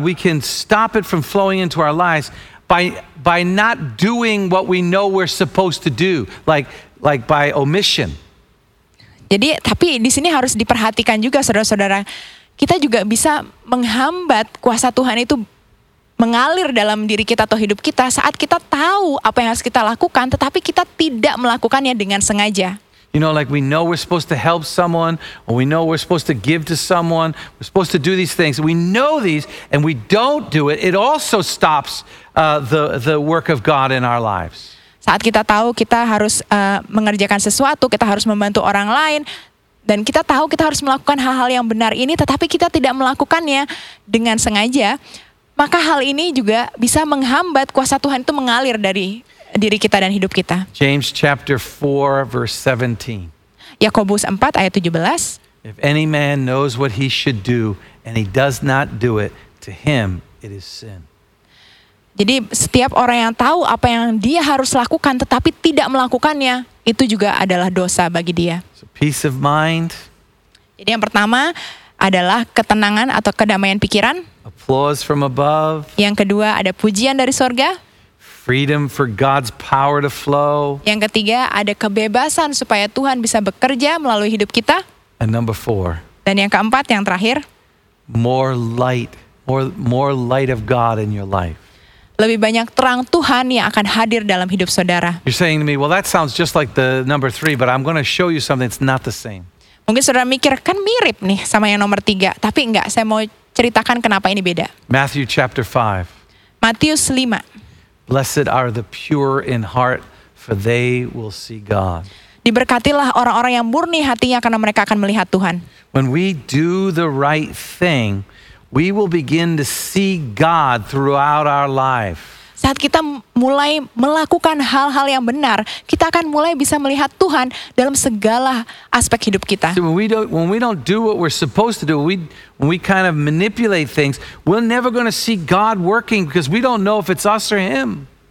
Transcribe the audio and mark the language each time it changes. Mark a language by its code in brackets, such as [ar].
[en] We can stop it from flowing into our lives by not doing what we know we're supposed to do, like by omission. [id] Jadi, tapi di sini harus diperhatikan juga, saudara-saudara, kita juga bisa menghambat kuasa Tuhan itu mengalir dalam diri kita atau hidup kita saat kita tahu apa yang harus kita lakukan, tetapi kita tidak melakukannya dengan sengaja. [en] You know, like we know we're supposed to help someone, or we know we're supposed to give to someone, we're supposed to do these things. We know these, and we don't do it. It also stops the work of God in our lives. [id] Saat kita tahu kita harus mengerjakan sesuatu, kita harus membantu orang lain, dan kita tahu kita harus melakukan hal-hal yang benar ini, tetapi kita tidak melakukannya dengan sengaja, maka hal ini juga bisa menghambat kuasa Tuhan itu mengalir dari diri kita dan hidup kita. [en] James chapter 4 verse 17. [id] Yakobus 4 ayat 17. [en] If any man knows what he should do and he does not do it, to him it is sin. [id] Jadi setiap orang yang tahu apa yang dia harus lakukan tetapi tidak melakukannya, itu juga adalah dosa bagi dia. [en] So peace of mind. [id] Jadi yang pertama adalah ketenangan atau kedamaian pikiran. [en] Applause from above. [id] Yang kedua ada pujian dari sorga. [en] Freedom for God's power to flow. [id] Yang ketiga ada kebebasan supaya Tuhan bisa bekerja melalui hidup kita. [en] And number four. [id] Dan yang keempat, yang terakhir. [en] More light, more light of God in your life. [id] Lebih banyak terang Tuhan yang akan hadir dalam hidup saudara. [en] You're saying to me, well, that sounds just like the number three, but I'm going to show you something that's not the same. [id] Mungkin saudara mikir kan mirip nih sama yang nomor tiga, tapi enggak. Saya mau ceritakan kenapa ini beda. [en] Matthew chapter 5. [id] Matius 5. [en] Blessed are the pure in heart, for they will see God. [id] Diberkatilah orang-orang yang murni hatinya karena mereka akan melihat Tuhan. [en] When we do the right thing, we will begin to see God throughout our life. [id] Saat kita mulai melakukan hal-hal yang benar, kita akan mulai bisa melihat Tuhan dalam segala aspek hidup kita. [en] So when we don't do what we're supposed to do, when we kind of manipulate things, we're never going to see God working because we don't know if it's us or him.